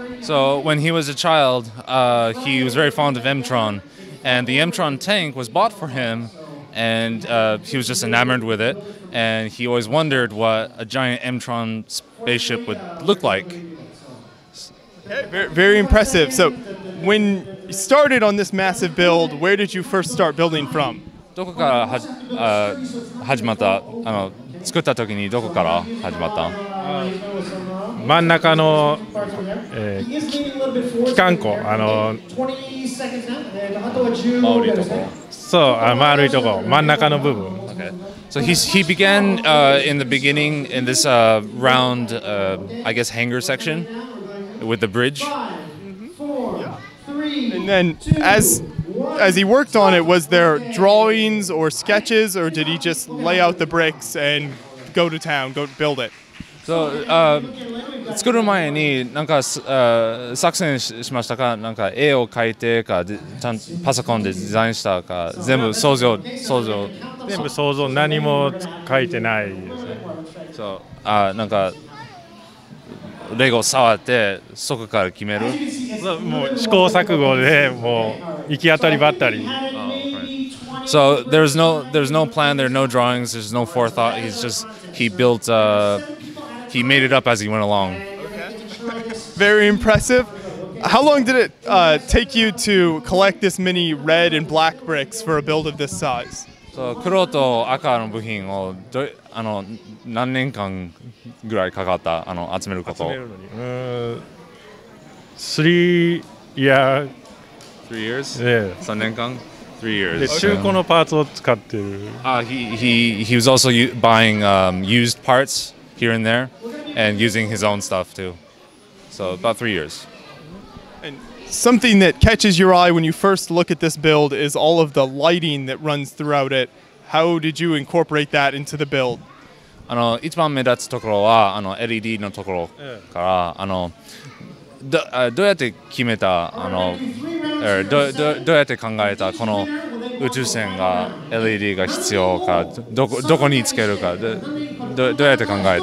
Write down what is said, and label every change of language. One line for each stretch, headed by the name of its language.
English: So when he was a child, he was very fond of M-Tron, and the M-Tron tank was bought for him, and he was just enamored with it, and he always wondered what a giant M-Tron spaceship would look like. Very, very impressive. So when you started on this massive build, where did you first start building from?
Japanese: どこから始まった、作った時にどこから始まった、真ん中の、機関庫、丸いとこ。そう、丸いとこ、真ん中の部分。
English: Okay. So he began in the beginning in this round, I guess, hangar section with the bridge. And then as he worked on it, was there drawings or sketches, or did he just lay out the bricks and go to town, go build it?
Japanese: So, 作る前になんか作戦しましたか、なんか絵を描いてか、パソコンでデザインしたか、全部想像、想像。全部想像、何も描いてないですね。そう、なんか、レゴ触ってそこから決める。もう試行錯誤でもう行き当たりばったり。
English: So there's no plan, there's no drawings, there's no forethought. He's just he made it up as he went along. Very impressive. How long did it take you to collect this many red and black bricks for a build of this size?
Japanese: So 黒と赤の部品を何年間ぐらいかかった、集めること。
English: 3 years. 3 years? Yeah.
Japanese: 3年間 ?
English: 3 years.
Japanese: で、中古のパーツを使ってる。
English: He was also buying used parts here and there and using his own stuff too. So about 3 years. And something that catches your eye when you first look at this build is all of the lighting that runs throughout it. How did you incorporate that into the build?
Japanese: LED のところから、どうやって決めた、どうやって考えたこの宇宙船が LED が必要か、どこにつけるか、どうやって考えた、